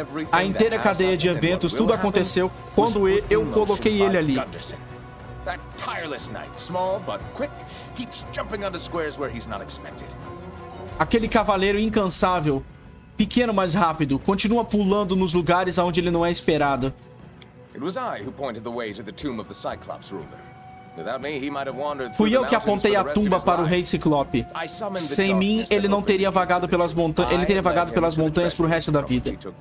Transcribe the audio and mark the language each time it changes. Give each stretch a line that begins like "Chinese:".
Portuguese: A inteira cadeia de eventos, tudo aconteceu quando eu coloquei ele ali.
English: That tireless knight, small but quick, keeps jumping onto squares where he's not expected.
Portuguese: Aquele cavaleiro incansável, pequeno mas rápido, continua pulando nos lugares onde ele não é esperado.
English: It was I who pointed the way to the tomb of the Cyclops ruler. Without me, he might have wandered.
Portuguese: Fui eu que apontei a tumba para o rei Ciclope. Sem mim, ele não teria vagado pelas montanhas. Ele teria vagado pelas montanhas pro resto da vida.